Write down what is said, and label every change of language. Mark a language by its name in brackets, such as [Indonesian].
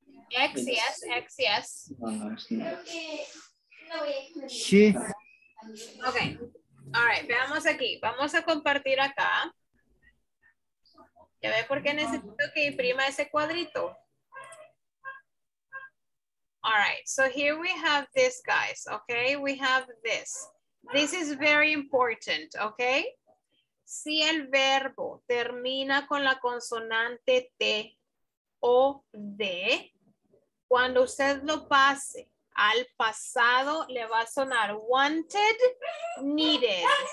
[English] X, yes, X, yes. [Spanish] Sí. [English] Ok, all right, [Spanish] veamos aquí. Vamos a compartir acá. ¿Ya ve por qué necesito que imprima ese cuadrito? [English] All right, so here we have this, guys, okay? We have this. This is very important, okay? [Spanish] Si el verbo termina con la consonante T o D, cuando usted lo pase al pasado, le va a sonar wanted, needed.